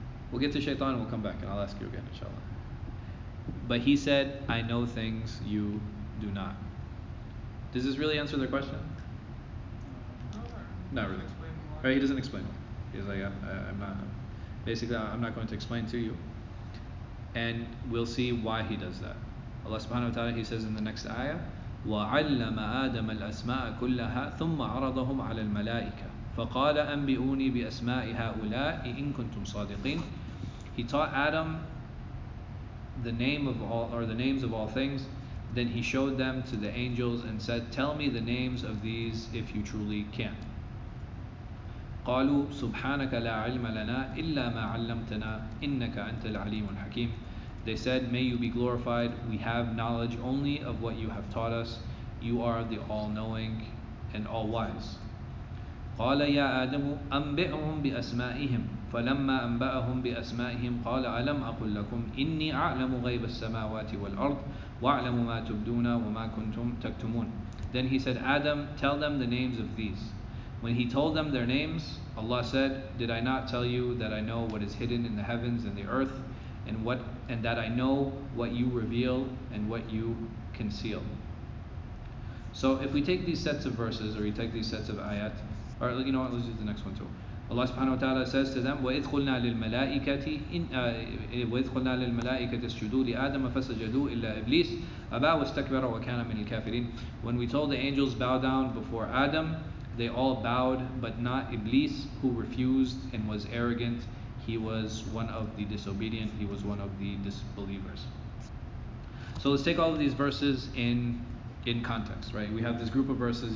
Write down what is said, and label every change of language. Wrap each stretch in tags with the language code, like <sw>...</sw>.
<en>We'll get to Shaitan and we'll come back and I'll ask you again, inshallah. But he said, I know things you do not. Does this really answer their question? No, not really. Right, he doesn't explain it. He's like, I'm not going to explain to you. And we'll see why he does that. Allah subhanahu wa ta'ala, he says in the next ayah,</en> <ar>وَعَلَّمَ آدَمَ الْأَسْمَاءَ كُلَّهَا ثُمَّ عَرَضَهُمْ عَلَى الْمَلَائِكَةِ فَقَالَ أَنْبِئُونِي بِأَسْمَاءِ هَؤُلَاءِ إِن كُنْتُمْ صَادِقِينَ.</ar> <en>He taught Adam the names of all things, then he showed them to the angels and said, tell me the names of these if you truly can.</en> <ar>قَالُوا سُبْحَانَكَ لَا عِلْمَ لَنَا إِلَّا مَا عَلَّمْتَنَا إِنَّكَ أَنْتَ الْعَلِيمُ الْحَكِيمُ.</ar> <en>They said, may you be glorified, we have knowledge only of what you have taught us, you are the all-knowing and all-wise.</en> <ar>قَالَ يَا آدَمُ أَنْبِئْهُمْ بِأَسْمَائِهِمْ فلما أنبأهم بأسمائهم قال ألم أقل لكم إني أعلم غيب السماوات والأرض وأعلم ما تبدون وما كنتم تكتمون.</ar> <en>Then he said, Adam, tell them the names of these. When he told them their names, Allah said, Did I not tell you that I know what is hidden in the heavens and the earth, and that I know what you reveal and what you conceal? So if we take these sets of verses, or you take these sets of ayat, or you know what, let's do the next one too. Allah subhanahu wa ta'ala says to them,</en> <ar>وَإِدْخُلْنَا لِلْمَلَائِكَةِ وَإِدْخُلْنَا لِلْمَلَائِكَةِ اسْجُدُوا لِآدَمَ فَسَجَدُوا إِلَّا إِبْلِيسَ أَبَى وَاسْتَكْبَرَ وَكَانَ مِنَ الْكَافِرِينَ.</ar> <en>When we told the angels bow down before Adam, they all bowed, but not Iblis, who refused and was arrogant. He was one of the disobedient. He was one of the disbelievers. So let's take all of these verses in context, right? We have this group of verses.</en>